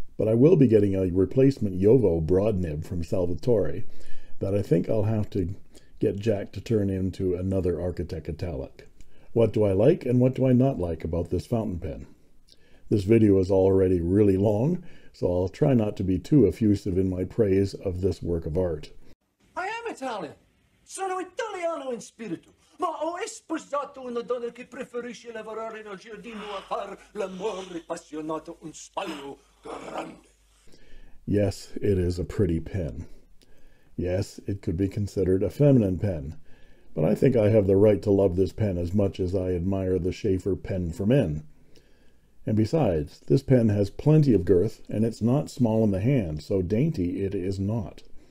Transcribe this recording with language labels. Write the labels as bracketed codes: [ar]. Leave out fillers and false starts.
[en] But I will be getting a replacement Yovo broad nib from Salvatore that I think I'll have to get Jack to turn into another Architect Italic. What do I like and what do I not like about this fountain pen? This video is already really long, so I'll try not to be too effusive in my praise of this work of art. I am Italian. [it] Sono Italiano in spirito. Ma ho sposato una donna che preferisce lavorare nel giardino a far l'amore appassionato un spallo grande. [en] Yes, it is a pretty pen. Yes, it could be considered a feminine pen, but I think I have the right to love this pen as much as I admire the Schaefer pen for men. And besides, this pen has plenty of girth, and it's not small in the hand, so dainty it is not.